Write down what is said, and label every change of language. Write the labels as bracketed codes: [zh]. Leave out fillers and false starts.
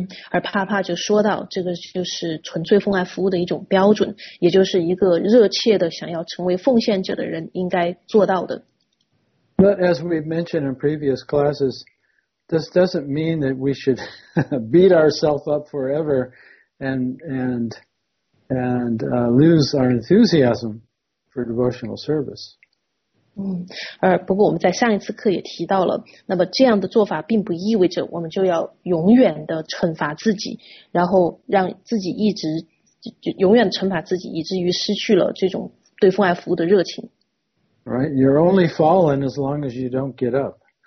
[zh] 而帕帕就说到，这个就是纯粹奉爱服务的一种标准，也就是一个热切的想要成为奉献者的人应该做到的。 [en] But as we've mentioned in previous classes, this doesn't mean that we should beat ourselves up forever and lose our enthusiasm for devotional service. [zh] 不过我们在上一次课也提到了，那么这样的做法并不意味着我们就要永远的惩罚自己，然后让自己一直就永远惩罚自己，以至于失去了这种对奉爱服务的热情。 [en] Right, you're only fallen as long as you don't get up.